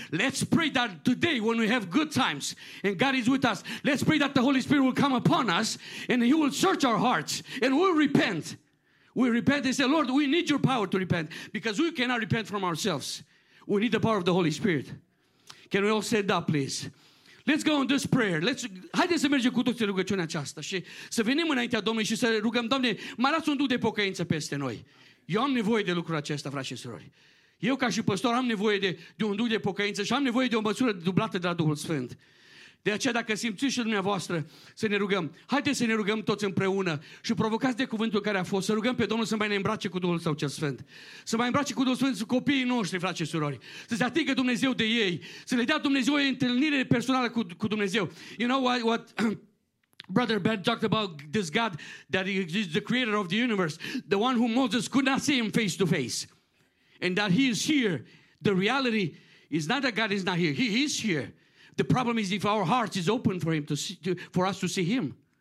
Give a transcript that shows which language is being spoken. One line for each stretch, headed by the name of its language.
English: Let's pray that today, when we have good times and God is with us, let's pray that the Holy Spirit will come upon us and He will search our hearts and we'll repent. We repent and say, Lord, we need your power to repent, because we cannot repent from ourselves. We need the power of the Holy Spirit. Can we all stand up, please? Let's go on this prayer.
Romanian: Haideți să mergem cu toții rugăciunea aceasta și să venim înaintea Domnului și să rugăm, Doamne, mai lasă un duh de pocăință peste noi. Eu am nevoie de lucrul acesta, frați și surori. Eu, ca și păstor, am nevoie de un duh de pocăință și am nevoie de o măsură dublată de la Duhul Sfânt. De aceea, dacă simțiți și dumneavoastră, să ne rugăm. Haideți să ne rugăm toți împreună și provocați de cuvântul care a fost, să rugăm pe Domnul să mai ne îmbrace cu Duhul Său cel Sfânt. Să mai îmbrace cu Duhul Sfânt copiii noștri, frați și surori. Să se atingă Dumnezeu de ei. Să le dea Dumnezeu o întâlnire personală cu Dumnezeu.
English: You know what Brother Ben talked about, this God that is the creator of the universe, the one whom Moses could not see him face to face. And that he is here. The reality is not that God is not here. He is here. The problem is if our heart is open for Him for us to see Him.